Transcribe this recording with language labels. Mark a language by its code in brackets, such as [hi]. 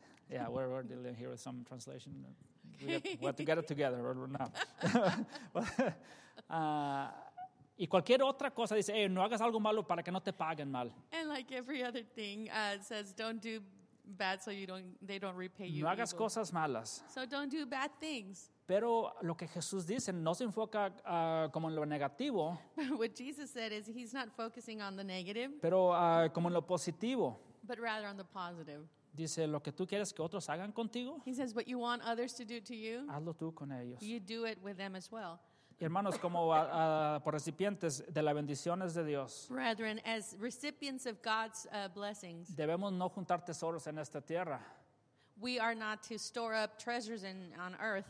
[en] Yeah, we're dealing here with some translation. Okay. We have to get it together right now. [es] Y cualquier otra cosa dice, hey, no hagas algo malo para que no te paguen mal. [en] And like every other thing, it says, don't do bad so they don't repay you. [es] No hagas [en] evil [es] cosas malas. [en] So don't do bad things. [es] Pero lo que Jesús dice no se enfoca como en lo negativo. [en] What Jesus said is he's not focusing on the negative. [es] Pero como en lo positivo. [en] But rather on the positive. [es] Dice, lo que tú quieres que otros hagan contigo, [en] he says, what you want others to do to you, [es] hazlo tú con ellos. [en] You do it with them as well. [es] Y hermanos, como por recipientes de las bendiciones de Dios, [en] brethren, as recipients of God's blessings, [es] debemos no juntar tesoros en esta tierra. [en] We are not to store up treasures on earth,